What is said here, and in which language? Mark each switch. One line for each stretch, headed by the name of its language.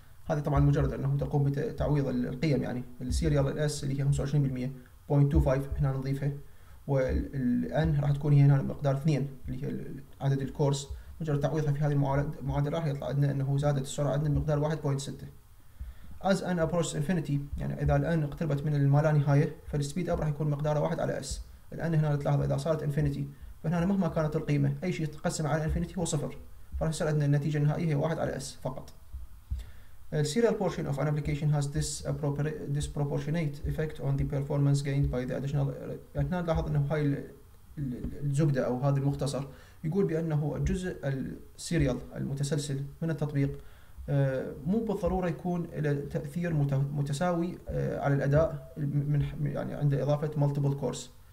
Arabic: هذه طبعا مجرد انه تقوم بتعويض القيم، يعني السيريال الاس اللي هي 25% 0.25 هنا نضيفها، والان راح تكون هي هنا بمقدار 2 اللي هي عدد الكورس، مجرد تعويضها في هذه المعادله راح يطلع عندنا انه زادت السرعه عندنا بمقدار 1.6.
English: As n approaches infinity
Arabic: يعني اذا الان اقتربت من المالا نهايه فالسبيد اب راح يكون مقداره 1 على s. الان هنا تلاحظ اذا صارت infinity فهنا مهما كانت القيمه اي شيء تقسم على infinity هو صفر، فراح يصير عندنا النتيجه النهائيه هي 1 على s فقط.
English: The serial portion of an application has this disproportionate effect on the performance gained by the additional.
Arabic: يعني هنا نلاحظ انه هاي الزبده او هذا المختصر يقول بانه الجزء السيريال المتسلسل من التطبيق مو بالضروره يكون له تاثير متساوي على الاداء من يعني عند اضافه مالتيبل كورس.